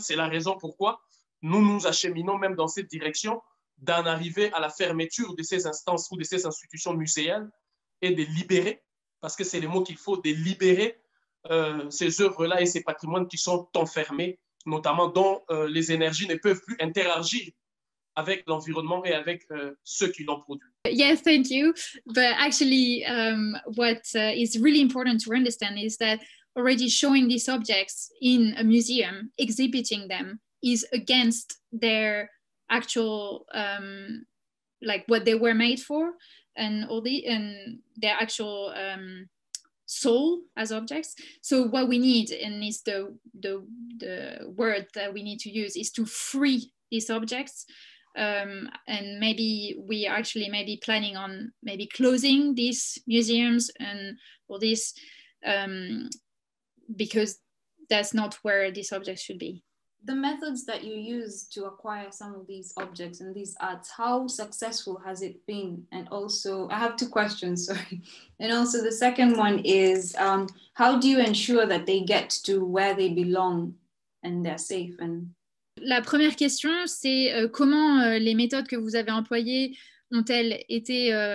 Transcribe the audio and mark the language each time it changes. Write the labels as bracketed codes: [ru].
[fr] C'est la raison pourquoi nous nous acheminons même dans cette direction d'en arriver à la fermeture de ces instances ou de ces institutions muséales et de libérer, parce que c'est le mot qu'il faut, de libérer ces œuvres-là et ces patrimoines qui sont enfermés, notamment dont les énergies ne peuvent plus interagir avec l'environnement et avec ceux qui l'ont produit. [en] Yes, thank you. But actually, what is really important to understand is that already showing these objects in a museum, exhibiting them, is against their actual, like what they were made for, and all the and their actual soul as objects. So what we need, and is the word that we need to use, is to free these objects. And maybe we are actually maybe planning on maybe closing these museums and all this, because that's not where these objects should be. The methods that you use to acquire some of these objects and these arts, how successful has it been? And also, I have two questions, sorry. And also the second one is, how do you ensure that they get to where they belong and they're safe and... [fr] La première question, c'est comment les méthodes que vous avez employées ont-elles été...